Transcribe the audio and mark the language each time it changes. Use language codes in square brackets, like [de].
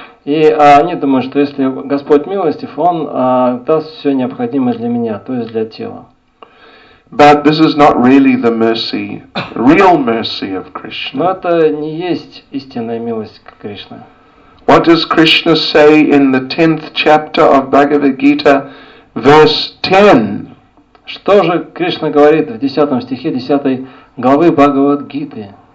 [ru] И они думают, что если Господь милостив, Он даст все необходимое для меня, то есть для тела. [en] But this is not really the mercy, real mercy of Krishna. [ru] Но это не есть истинная милость Кришны. [en] What does Krishna say in the 10th chapter of Bhagavad Gita, verse 10? [ru] Что же Кришна говорит в 10 стихе 10 главы Бхагавад Гиты?